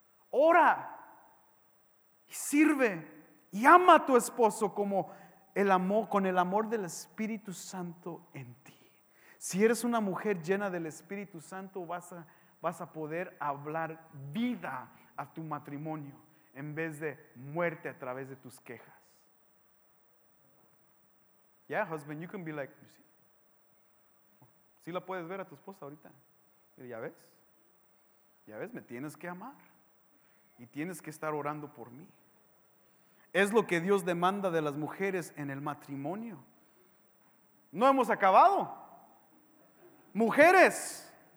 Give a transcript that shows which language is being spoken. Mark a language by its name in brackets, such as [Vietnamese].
[Spanish] Ora y sirve y ama a tu esposo como el amor, con el amor del Espíritu Santo en ti. Si eres una mujer llena del Espíritu Santo, vas a poder hablar vida a tu matrimonio en vez de muerte a través de tus quejas. [English] Yeah, husband, you can be like, you see? [Spanish] ¿Sí la puedes ver a tu esposa ahorita? ¿Ya ves? Me tienes que amar. Y tienes que estar orando por mí. Es lo que Dios demanda de las mujeres en el matrimonio. No hemos acabado. Mujeres.